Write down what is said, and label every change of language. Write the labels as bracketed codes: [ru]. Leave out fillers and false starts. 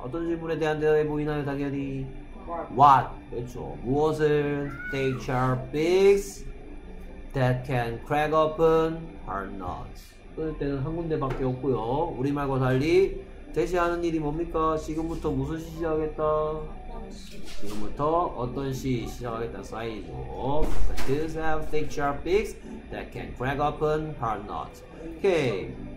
[ko] 어떤 질문에 대한 대답이 보이나요, 당연히? [en] What? [ko] 그렇죠. 무엇을? [en] Thick, sharp beaks that can crack open hard nuts. [ko] 그럴 때는 한 군데밖에 없고요. 우리말과 달리 대시하는 일이 뭡니까? 지금부터 무슨 시 시작하겠다? 지금부터 어떤 시 시작하겠다 사이죠. [en] Cockatoos have thick sharp beaks that can crack open hard nuts. 오케이.